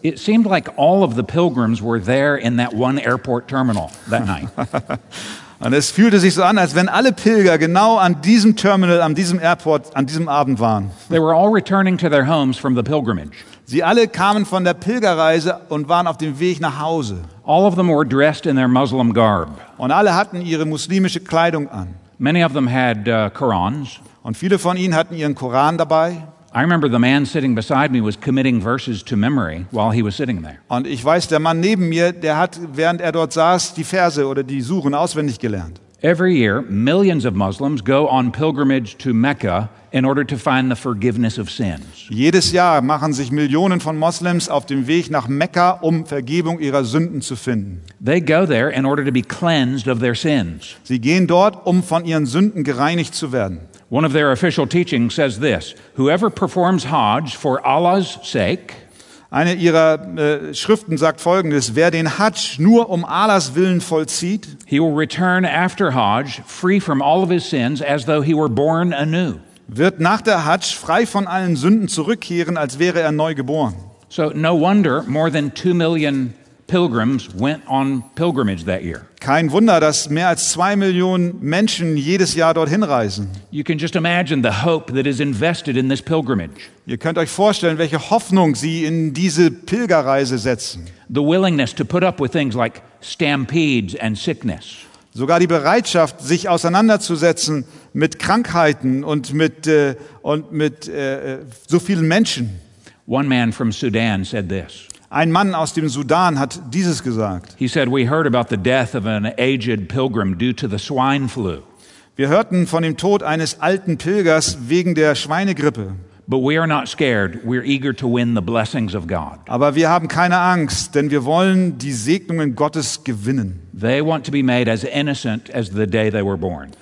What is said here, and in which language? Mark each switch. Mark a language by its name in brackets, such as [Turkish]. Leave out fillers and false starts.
[English] It seemed like all of the pilgrims were there in that one airport terminal that night. [German] Und es fühlte sich so an, als wenn alle Pilger genau an diesem Terminal, an diesem Airport, an diesem Abend waren. [English] They were all returning to their homes from the pilgrimage. [German] Sie alle kamen von der Pilgerreise und waren auf dem Weg nach Hause. [English] All of them were dressed in their Muslim garb. [German] Und alle hatten ihre muslimische Kleidung an. [English] Many of them had Qurans. [German] Und viele von ihnen hatten ihren Koran dabei. [English] I remember the man sitting beside me was committing verses to memory while he was sitting there. [German] Und ich weiß, der Mann neben mir, der hat während er dort saß, die Verse oder die Suren auswendig gelernt. [English] Every year, millions of Muslims go on pilgrimage to Mecca in order to find the forgiveness of sins. [German] Jedes Jahr machen sich Millionen von Muslims auf den Weg nach Mekka, um Vergebung ihrer Sünden zu finden. [English] They go there in order to be cleansed of their sins. [German] Sie gehen dort, um von ihren Sünden gereinigt zu werden. [English] One of their official teachings says this: whoever performs Hajj for Allah's sake. [German] Eine ihrer Schriften sagt folgendes: Wer den Hajj nur um Allahs Willen vollzieht, [English] he will return after Hajj free from all of his sins as though he were born anew. [German] Wird nach der Hajj frei von allen Sünden zurückkehren, als wäre er neu geboren. [English] So no wonder more than 2 million pilgrims went on pilgrimage that year. [German] Kein Wunder, dass mehr als 2 Millionen Menschen jedes Jahr dorthin reisen. [English] You can just imagine the hope that is invested in this pilgrimage. [German] Ihr könnt euch vorstellen, welche Hoffnung sie in diese Pilgerreise setzen. [English] The willingness to put up with things like stampedes and sickness. [German] Sogar die Bereitschaft, sich auseinanderzusetzen mit Krankheiten und mit so vielen Menschen. [English] One man from Sudan said this. [German] Ein Mann aus dem Sudan hat dieses gesagt. [English] He said, we heard about the death of an aged pilgrim due to the swine flu. [German] Wir hörten von dem Tod eines alten Pilgers wegen der Schweinegrippe. [English] But we are not scared. We're eager to win the blessings of God. [German] Aber wir haben keine Angst, denn wir wollen die Segnungen Gottes gewinnen. [English] They want to be made as innocent as the day they were born.